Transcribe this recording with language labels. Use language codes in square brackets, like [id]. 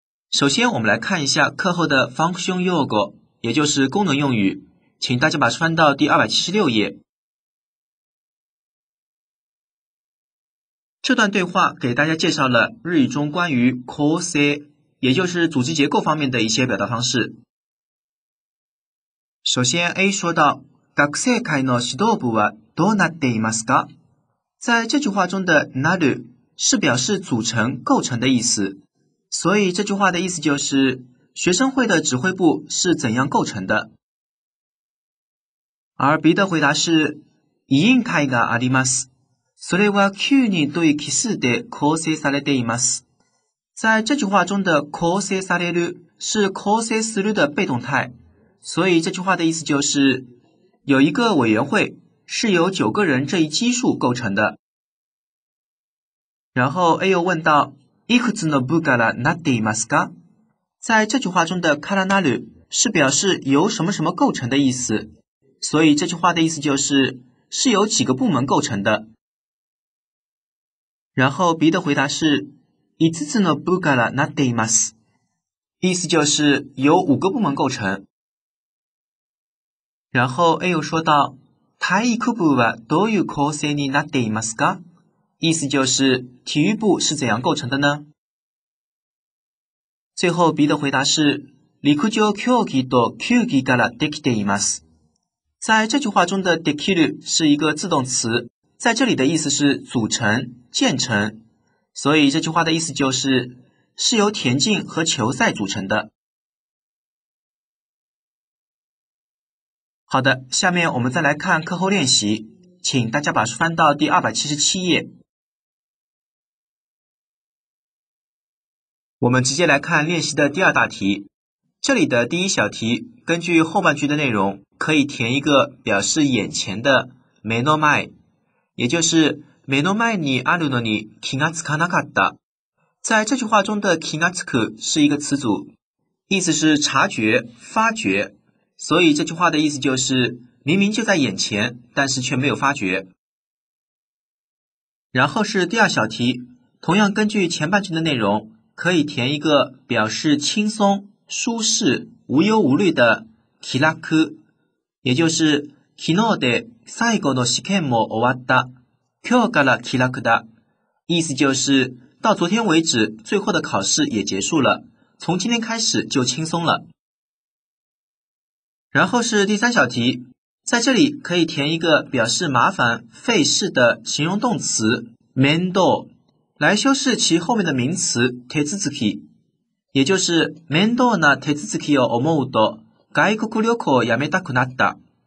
[zh] 首先我们来看一下课后的 function 用语，也就是功能用语，请大家把书翻到第276页。这段对话给大家介绍了日语中关于構成，也就是组织结构方面的一些表达方式。首先 A 说到， [ja] 学生会の指導部はどうなっていますか？ [zh] 在这句话中的なる是表示组成、构成的意思，所以这句话的意思就是学生会的指挥部是怎样构成的。而 B 的回答是 [ja] 委員会があります。それは9人という基数で構成されています。 [zh] 在这句话中的構成される是構成する的被动态，所以这句话的意思就是有一个委员会是由九个人这一基数构成的。然后 A 又问到， [ja] いくつの部からなっていますか？ [zh] 在这句话中的からなる是表示由什么什么构成的意思，所以这句话的意思就是是由几个部门构成的。然后 B 的回答是 [ja] いつつの部からなっています， [zh] 意思就是由五个部门构成。然后 A 又说到， [ja] 体育部はどういう構成になっていますか？ [zh] 意思就是体育部是怎样构成的呢？最后 B 的回答是 [ja] 陸上競技と球技からできています。 [zh] 在这句话中的できる是一个自动词，在这里的意思是组成、建成，所以这句话的意思就是是由田径和球赛组成的。好的，下面我们再来看课后练习，请大家把书翻到第277页。我们直接来看练习的第二大题。这里的第一小题，根据后半句的内容，可以填一个表示眼前的目の前，也就是 [ja] 目の前にあるのに気がつかなかった。 [zh] 在这句话中的気がつく是一个词组，意思是察觉、发觉，所以这句话的意思就是明明就在眼前，但是却没有发觉。然后是第二小题，同样根据前半句的内容，可以填一个表示轻松、舒适无忧无虑的 [ja] 気楽， [zh] 也就是 [ja] 昨日で最後の試験も終わった。今日から気楽だ。 [zh] 意思就是到昨天为止最后的考试也结束了，从今天开始就轻松了。然后是第三小题，在这里可以填一个表示麻烦费事的形容动词面倒，来修饰其后面的名词手続き，也就是 [ja] 面倒な手続きを思うと外国旅行をやめたくなった。